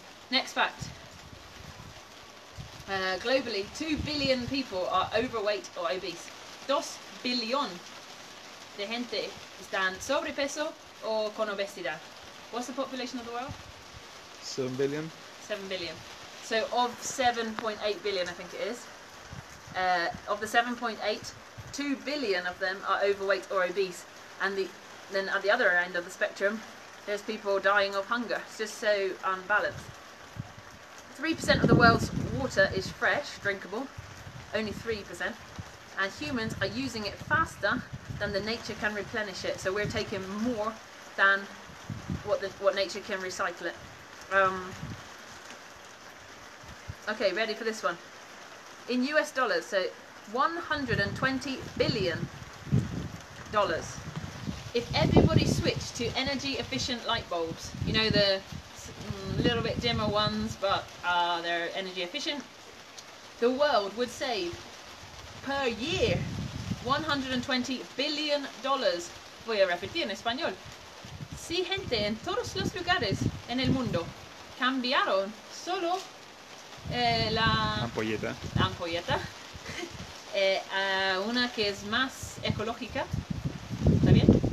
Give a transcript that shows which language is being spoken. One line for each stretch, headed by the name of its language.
English: Next fact. Globally, 2 billion people are overweight or obese.
Spanish: 2 billion de gente están sobrepeso o con obesidad.
English: What's the population of the world? 7 billion. 7 billion. So of 7.8 billion, I think it is, of the 7.8, 2 billion of them are overweight or obese. And then at the other end of the spectrum, there's people dying of hunger. It's just so unbalanced. 3% of the world's water is fresh, drinkable, only 3%. And humans are using it faster than the nature can replenish it. So we're taking more than what nature can recycle it. Okay, ready for this one. In US dollars, so $120 billion. If everybody switched to energy efficient light bulbs, you know, the little bit dimmer ones, but they're energy efficient, the world would save per year $120 billion.
Spanish: Voy a repetir en español. Si gente en todos los lugares en el mundo cambiaron solo la ampolleta a una que es más ecológica, ¿está bien?